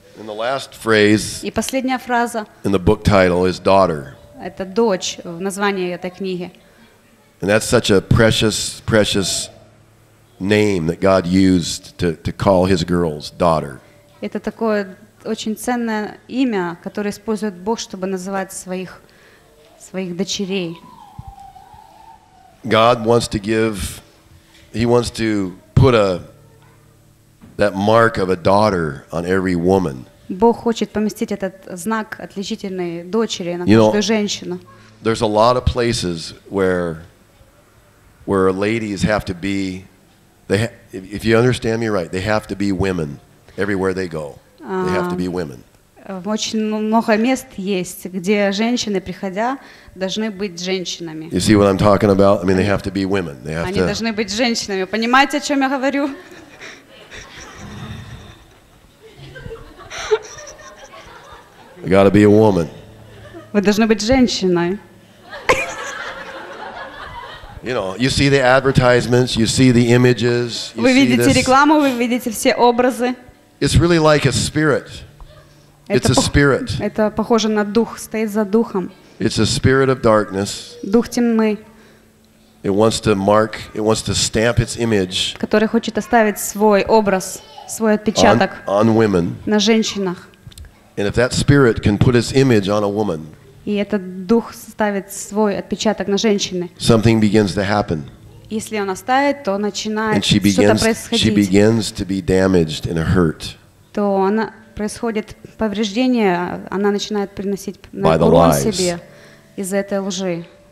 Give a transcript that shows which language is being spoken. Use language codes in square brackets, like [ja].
[en] And the last phrase. [ru] И последняя фраза. [en] In the book title is daughter. [ru] Это дочь в названии этой книги. [en] And that's such a precious, precious name that God used to call His girls daughter. [ru] Это такое очень ценное имя, которое использует Бог, чтобы называть своих дочерей. [en] God wants to give. He wants to put that mark of a daughter on every woman. [ru] Бог хочет поместить этот знак отличительной дочери на каждую женщину. [en] There's a lot of places where ladies have to be. If you understand me right, they have to be women everywhere they go. They have to be women. [ru] Очень много мест есть, где женщины, приходя, должны быть женщинами. [en] You see what I'm talking about? I mean, they have to be women. They have [ru] Они [en] to... [ru] должны быть женщинами. Понимаете, о чем я говорю? [en] You gotta be a woman. [ru] Вы должны быть женщиной. [en] You know, you see the advertisements, you see the images. [ru] Вы видите рекламу, вы видите все образы. [en] It's really like a spirit. It's a spirit. [ru] Это похоже на дух, стоит за духом. [en] It's a spirit of darkness. [ru] Дух тьмы. [en] It wants to mark, it wants to stamp its image. [ru] Который хочет оставить свой образ, свой отпечаток [en] on women. [ru] На женщинах. [en] And if that spirit can put its image on a woman. [ru] И этот дух ставит свой отпечаток на женщине. [en] Something begins to happen. [ru] Если он оставит, то начинает что-то происходить. [en] She begins to be damaged and hurt. [ru] То она происходит повреждение, она начинает приносить урон себе из-за этой лжи.